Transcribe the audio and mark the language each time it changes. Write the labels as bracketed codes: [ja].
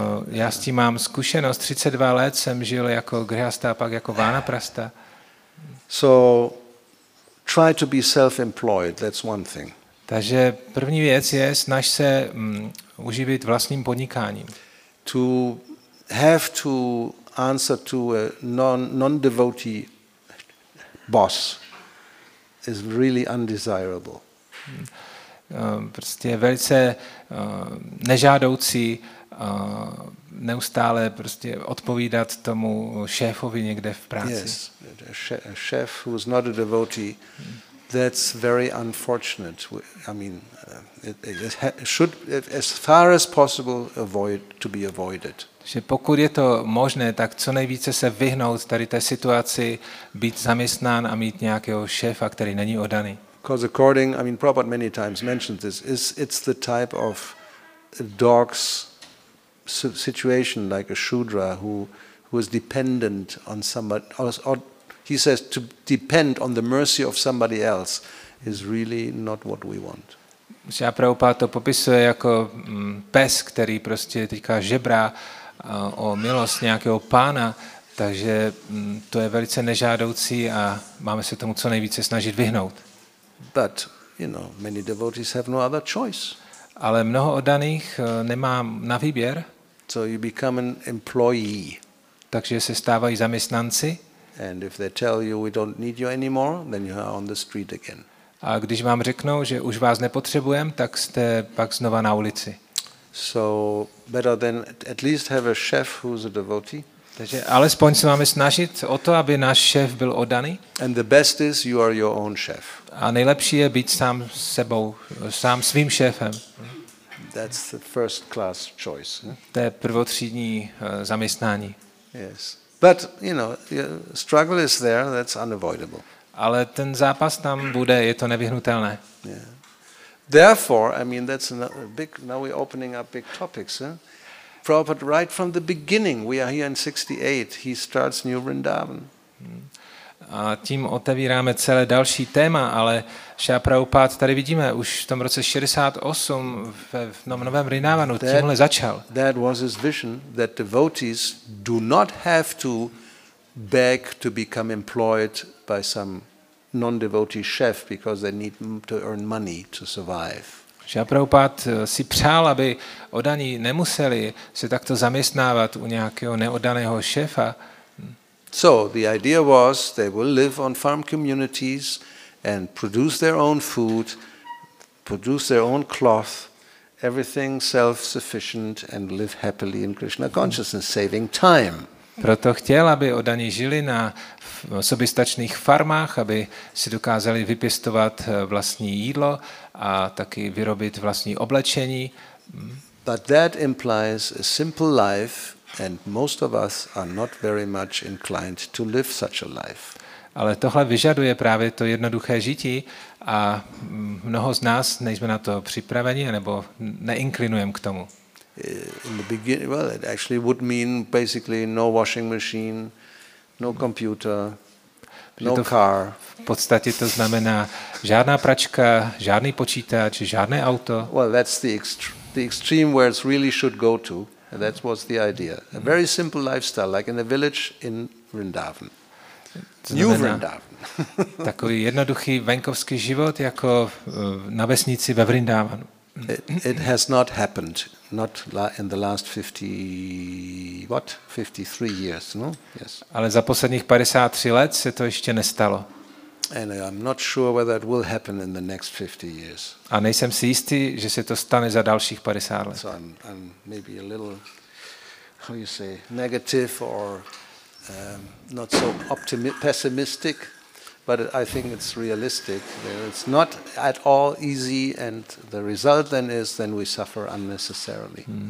[cs] Já s tím mám zkušenost, 32 let jsem žil jako grihasta a pak jako vanaprastha. [en] So try to be self-employed, that's one thing. [cs] Takže první věc je, snaž se uživit vlastním podnikáním. [en] To have to answer to a non-devotee boss is really undesirable. [cs] Prostě velice nežádoucí neustále prostě odpovídat tomu šéfovi někde v práci. [en] Yes, a chef who is not a devotee, that's very unfortunate. I mean, it should, as far as possible, avoid to be avoided. [cs] Že pokud je to možné, tak co nejvíce se vyhnout tady té situaci, být zaměstnán a mít nějakého šéfa, který není oddaný. [en] Because according, I mean, Prabhupada many times mentioned this. It's the type of dog's situation, like a shudra who is dependent on somebody. Or he says to depend on the mercy of somebody else is really not what we want. [cs] Šrila Prabhupáda to popisuje jako pes, který prostě teďka žebrá o milost nějakého pána, takže to je velice nežádoucí a máme se tomu co nejvíce snažit vyhnout. [en] But, you know, many devotees have no other choice. [cs] Ale mnoho oddaných nemá na výběr. [en] So you become an employee. [cs] Takže se stávají zaměstnanci. [en] And if they tell you we don't need you anymore, then you are on the street again. [cs] A když vám řeknou, že už vás nepotřebujem, tak jste pak znova na ulici. [en] So better than at least have a chef who's a devotee. [cs] Takže alespoň se máme snažit o to, aby náš šéf byl oddaný. [en] And the best is you are your own chef. [cs] A nejlepší je být sám sebou, sám svým šéfem. [en] That's the first class choice. [cs] To je prvotřídní zaměstnání. [en] Yes. But, you know, struggle is there, that's unavoidable. [cs] Ale ten zápas tam bude, je to nevyhnutelné. [en] Yeah. Therefore, I mean, that's a big, now we're opening up big topics, huh? Prabhupada, right from the beginning, we are here in 68, he starts New Vrindavan. [cs] A tím otevíráme celé další téma, ale Šrila Prabhupáda tady vidíme už v tom roce 68 v Novém Vrindavanu tímhle začal. [en] That was his vision that devotees do not have to beg to become employed by some non-devotee chef because they need to earn money to survive. [cs] Šrila Prabhupáda si přál, aby oddaní nemuseli se takto zaměstnávat u nějakého neoddaného šéfa. [en] So the idea was they will live on farm communities and produce their own food, produce their own cloth, everything self-sufficient and live happily in Krishna consciousness, saving time. [cs] Proto chtěl, aby oddaní žili na soběstačných farmách, aby si dokázali vypěstovat vlastní jídlo a taky vyrobit vlastní oblečení. [en] But that implies a simple life. And most of us are not very much inclined to live such a life. [cs] Ale tohle vyžaduje právě to jednoduché žití a mnoho z nás nejsme na to připraveni nebo neinklinujeme k tomu. [en] In the beginning, well, it actually would mean basically no washing machine, no computer, no car. [cs] V podstatě to znamená žádná pračka, žádný počítač, žádné auto. [en] Well, that's the extreme where it really should go to. And that was the idea. A very simple lifestyle, like in a village in Vrindavan. New Vrindavan. [cs] Takový jednoduchý venkovský život, jako na vesnici ve Vrindavanu. [en] It has not happened, not in the last 53 years, no? Yes. [cs] Ale za posledních 53 let se to ještě nestalo. [en] And I'm not sure whether it will happen in the next 50 years. [cs] A nejsem si jistý, že se to stane za dalších 50 let. [en] So I'm maybe a little, how you say, negative or not so pessimistic, but I think it's realistic. It's not at all easy, and the result then is then we suffer unnecessarily.